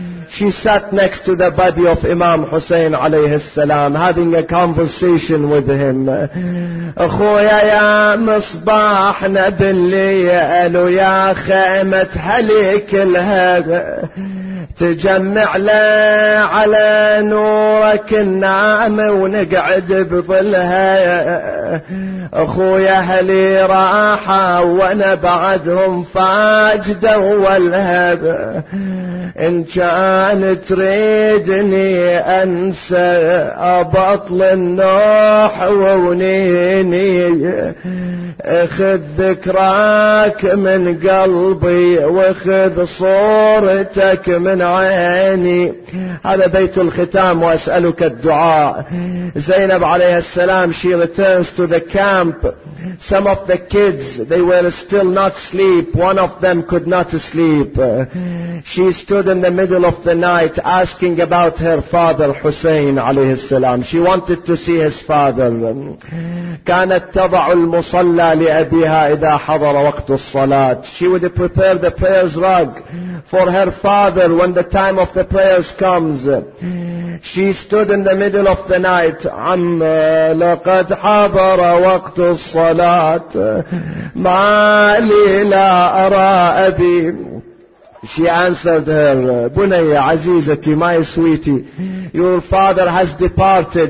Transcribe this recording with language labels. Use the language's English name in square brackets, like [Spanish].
[English] She sat next to the body of Imam Hussein alayhi salam, having a conversation with him. [Arabic] أخويا يا مصباحنا بالليل ويا خيمة هلي كلها تجمع لا على نورك النام ونقعد بظلها أخويا هلي راحة وانا بعدهم فاجد والهب إن كان تريدني أنسى أبطل النوح ونيني اخذ ذكراك من قلبي واخذ صورتك من عيني. هذا بيت الختام وأسألك الدعاء. [English] زينب عليه السلام, she returns to the camp. Some of the kids, they were still not asleep. One of them could not sleep. She stood stood in the middle of the night asking about her father Hussein عليه السلام. She wanted to see his father. [Arabic] كانت تضع المصلى لأبيها إذا حضر وقت الصلاة. [English] She would prepare the prayers rug for her father when the time of the prayers comes. She stood in the middle of the night. [Arabic] عم لقد حضر وقت الصلاة ما لي لا أرى أبي. [English] She answered her, [Arabic] Bunaya, Azizati, [English] my sweetie, your father has departed.